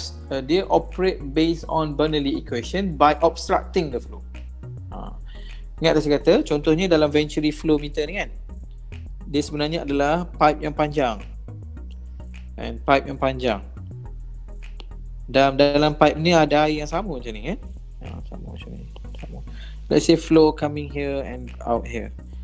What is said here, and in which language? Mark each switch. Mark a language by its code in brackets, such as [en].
[en] They operate based on Bernoulli equation by obstructing the flow. [ms] Ingat tak saya kata, contohnya dalam Venturi flow meter ni kan, dia sebenarnya adalah pipe yang panjang. And pipe yang panjang. Dalam pipe ni ada air yang sama macam ni, kan? Sama macam ni. Sama. [en] Let's say flow coming here and out here.